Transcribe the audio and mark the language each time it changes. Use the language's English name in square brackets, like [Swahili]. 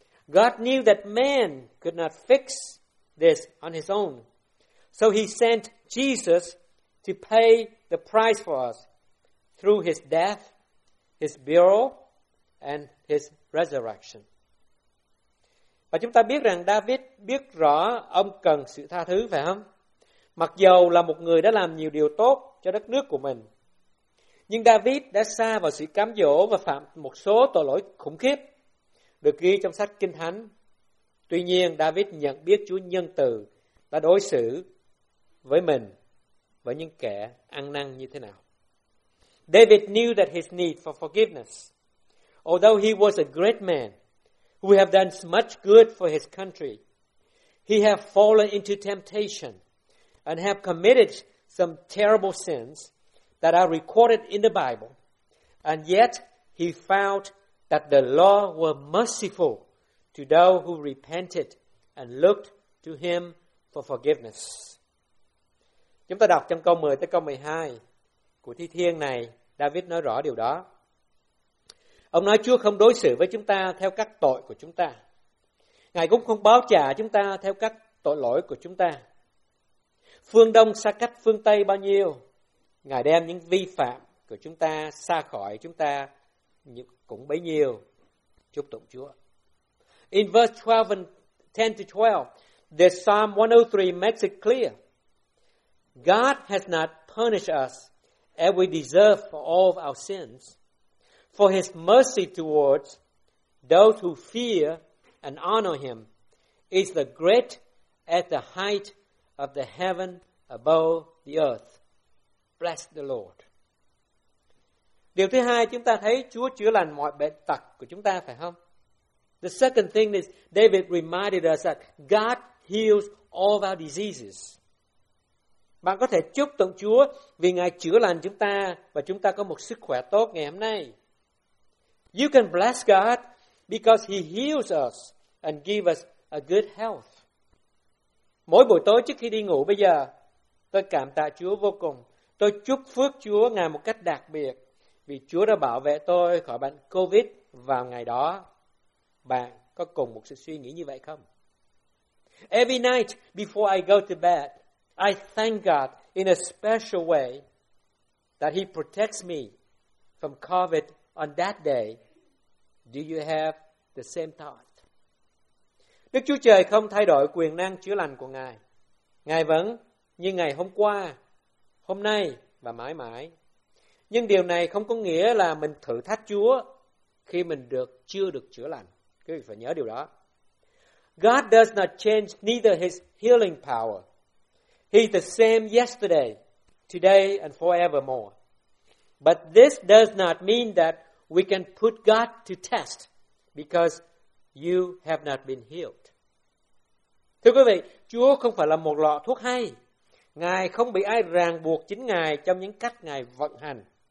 [English] God knew that man could not fix this on his own. So he sent Jesus to pay the price for us through his death, his burial, and his resurrection. [Vietnamese] Và chúng ta biết rằng David biết rõ ông cần sự tha thứ, phải không? Mặc dầu là một người đã làm nhiều điều tốt cho đất nước của mình, nhưng David đã sa vào sự cám dỗ và phạm một số tội lỗi khủng khiếp được ghi trong sách Kinh Thánh. Tuy nhiên, David nhận biết Chúa nhân từ đã đối xử với mình với những kẻ ăn năn như thế nào. [English] David knew that his need for forgiveness. Although he was a great man who have done much good for his country, he have fallen into temptation and have committed some terrible sins that are recorded in the Bible, and yet he found that the law were merciful to those who repented and looked to him for forgiveness. [Vietnamese] Chúng ta đọc trong câu 10 tới câu 12 của Thi Thiên này, David nói rõ điều đó. Ông nói Chúa không đối xử với chúng ta theo các tội của chúng ta. Ngài cũng không báo trả chúng ta theo các tội lỗi của chúng ta. Phương Đông xa cách phương Tây bao nhiêu, Ngài đem những vi phạm của chúng ta xa khỏi chúng ta cũng bấy nhiêu. Chúc tụng Chúa. [English] In verse 12 and 10 to 12, the Psalm 103 makes it clear. God has not punished us as we deserve for all of our sins. For his mercy towards those who fear and honor him is the great at the height of the heaven above the earth. Bless the Lord. [Vietnamese] Điều thứ hai, chúng ta thấy Chúa chữa lành mọi bệnh tật của chúng ta, phải không? [English] The second thing is, David reminded us that God heals all of our diseases. [Vietnamese] Bạn có thể chúc tụng Chúa vì Ngài chữa lành chúng ta và chúng ta có một sức khỏe tốt ngày hôm nay. [English] You can bless God because he heals us and gives us a good health. [Vietnamese] Mỗi buổi tối trước khi đi ngủ bây giờ, tôi cảm tạ Chúa vô cùng. Tôi chúc phước Chúa Ngài một cách đặc biệt vì Chúa đã bảo vệ tôi khỏi bệnh COVID vào ngày đó. Bạn có cùng một sự suy nghĩ như vậy không? [English] Every night before I go to bed, I thank God in a special way that he protects me from COVID on that day. Do you have the same thought? [Vietnamese] Đức Chúa Trời không thay đổi quyền năng chữa lành của Ngài. Ngài vẫn như ngày hôm qua, hôm nay và mãi mãi. Nhưng điều này không có nghĩa là mình thử thách Chúa khi mình chưa được chữa lành. Quý vị phải nhớ điều đó. [English] God does not change neither his healing power. He is the same yesterday, today and forevermore. But this does not mean that we can put God to test because you have not been healed. [Vietnamese] Thưa quý vị, Chúa không phải là một lọ thuốc hay. Ngài không bị ai ràng buộc chính Ngài trong những cách Ngài vận hành.